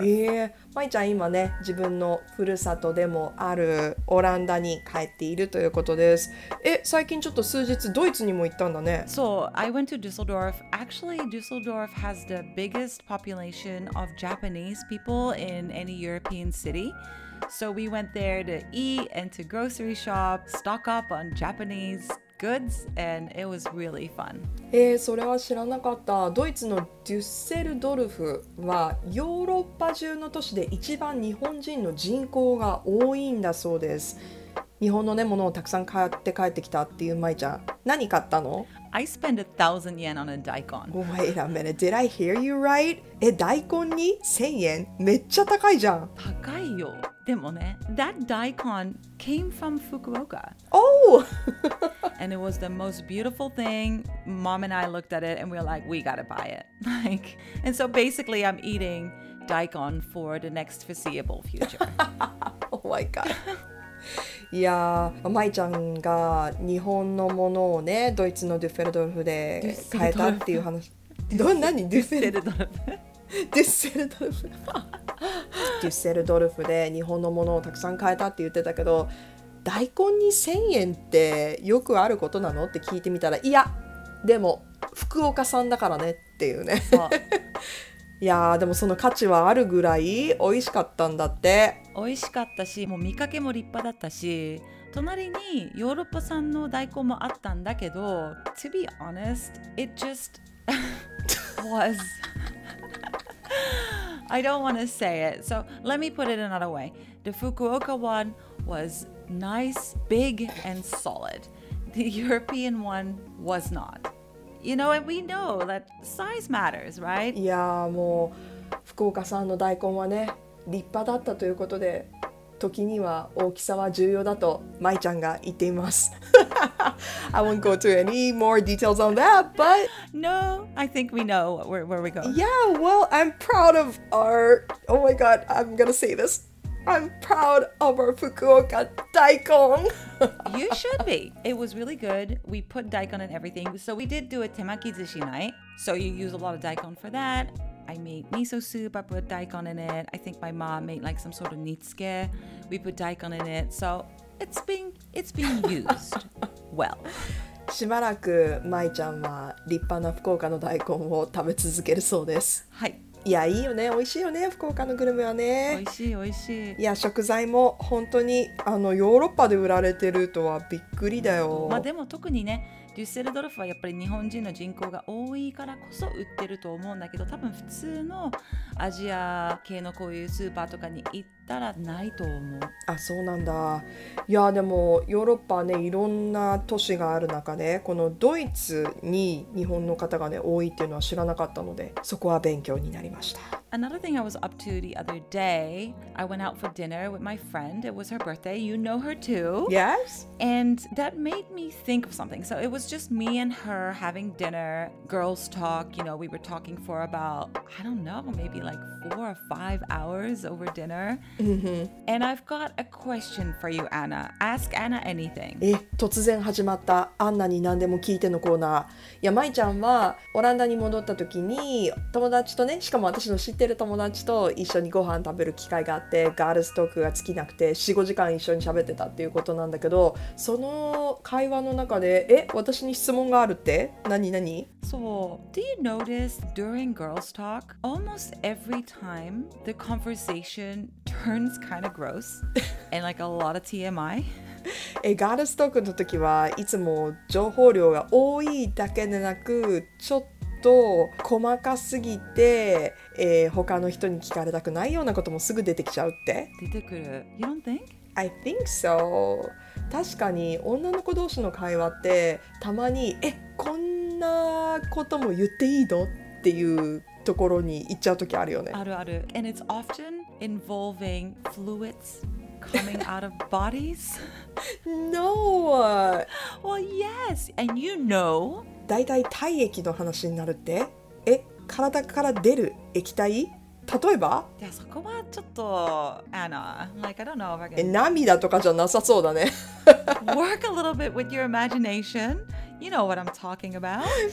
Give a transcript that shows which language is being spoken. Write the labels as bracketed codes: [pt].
[ja] Yeah, Mai ちゃん今ね、自分のふるさとでもあるオランダに帰っているということです。え、最近ちょっと数日ドイツにも行ったんだね。 [en] So, I went to Düsseldorf. Actually, Düsseldorf has the biggest population of Japanese people in any European city. So we went there to eat and to grocery shop, stock up on Japanese goods and it was really fun. [ja] それは知らなかった。ドイツのデュッセルドルフはヨーロッパ中の都市で一番日本人の人口が多いんだそうです。日本のね、ものをたくさん買って帰ってきたっていうまいちゃん。何買ったの？ [en] I spent 1000 yen on a 大根。 Wait a minute, did I hear you right? [ja] 大根に1000 yen? めっちゃ高いじゃん。高いよ。でもね、 that 大根 came from Fukuoka. [en] Oh! And it was the most beautiful thing. Mom and I looked at it and we were like, we gotta buy it. Like, and so basically I'm eating 大根 for the next foreseeable future. Oh my god. [ja] いやまいちゃんが日本のものをねドイツのデュッフェルドルフで買えたっていう話。どんなにデュッフェルドルフデュッセルドルフデュッセルドルフで日本のものをたくさん買えたって言ってたけど、大根に1000円ってよくあることなのって聞いてみたら、いやでも福岡さんだからねっていうね。そういやでもその価値はあるぐらい美味しかったんだって。美味しかったし、もう見かけも立派だったし、隣にヨーロッパ産の大根もあったんだけど、 To be honest, it just was I don't want to say it, so let me put it another way. [en] The Fukuoka one was nice, big and solid. The European one was notYou know, and we know that size matters, right? [ja] いやもう福岡さんの大根はね立派だったということで、時には大きさは重要だとまいちゃんが言っています。 [en] I won't go to any more details on that, but No, I think we know where we go. Yeah, well, I'm proud of our Oh my god, I'm gonna say this. I'm proud of our Fukuoka daikon. You should be. It was really good. We put daikon in everything. So we did do a temaki sushi night. So you use a lot of daikon for that. I made miso soup. I put daikon in it. I think my mom made like some sort of nitsuke. We put daikon in it. So it's being used well. [ja] しばらくまいちゃんは立派な福岡の大根を食べ続けるそうです。はい。いやいいよね、美味しいよね、福岡のグルメはね。美味しい美味しい。いや食材も本当にヨーロッパで売られてるとはびっくりだよ。まあでも特にね、デュッセルドルフはやっぱり日本人の人口が多いからこそ売ってると思うんだけど、多分普通のアジア系のこういうスーパーとかに行ったらないと思う。あ、そうなんだ。いやでもヨーロッパね、いろんな都市がある中で、このドイツに日本の方がね多いっていうのは知らなかったので、そこは勉強になりました。 [en] Another thing I was up to the other day, I went out for dinner with my friend. It was her birthday. You know her too. Yes. And that made me think of something. So it was just me and her having dinner, girls talk. You know, we were talking for about, I don't know, maybe like 4 or 5 hours over dinner. Mm-hmm. And I've got a question for you, Anna. Ask Anna anything. [ja] 突然始まったアンナに何でも聞いてのコーナー。いや、まいちゃんはオランダに戻った時に友達とね、しかも私の知ってる友達と一緒にご飯食べる機会があって、ガールストークが尽きなくて 4,5 時間一緒に喋ってたっていうことなんだけど、その会話の中で私に質問があるって、何 [en] そう、so, Do you notice during girls talk almost every time the conversation turns kind of gross and like a lot of TMI? [ja] ガールストークの時はいつも情報量が多いだけでなく、ちょっとと細かすぎて、他の人に聞かれたくないようなこともすぐ出てきちゃうって。出てくる。 You don't think? [en] I think so. [ja] 確かに女の子同士の会話ってたまに、こんなことも言っていいのっていうところに行っちゃうときあるよね。あるある。 [en] And it's often involving fluids coming out of bodies? No! Well, yes! And you know... [ja] だいたい体液の話になるって、体から出る液体、例えば、 [en] いやそこはちょっと like, I don't know if I can... [ja] 涙とかじゃなさそうだね。 [en] Work a little bit with your imagination. You know what I'm talking about.